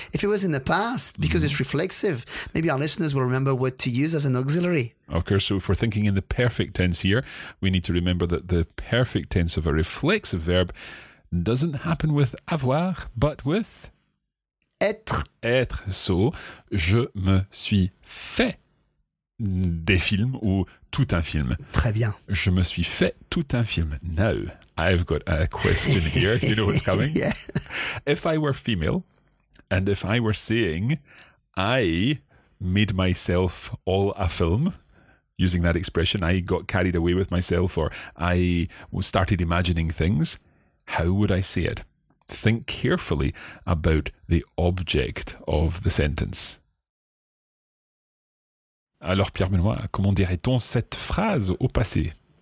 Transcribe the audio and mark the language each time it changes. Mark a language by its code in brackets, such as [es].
[en] If it was in the past, because mm-hmm. it's reflexive, maybe our listeners will remember what to use as an auxiliary. Okay. So if we're thinking in the perfect tense here, we need to remember that the perfect tense of a reflexive verb doesn't happen with avoir, but with [fr] être. Être. So, je me suis fait des films ou tout un film. Très bien. Je me suis fait tout un film. [en] Now, I've got a question here. You know what's coming? Yeah. If I were female and if I were saying I made myself all a film, using that expression, I got carried away with myself or I started imagining things, how would I say it? Think carefully about the object of the sentence. [fr] Alors, Pierre-Benoît, comment dirait-on cette phrase au passé?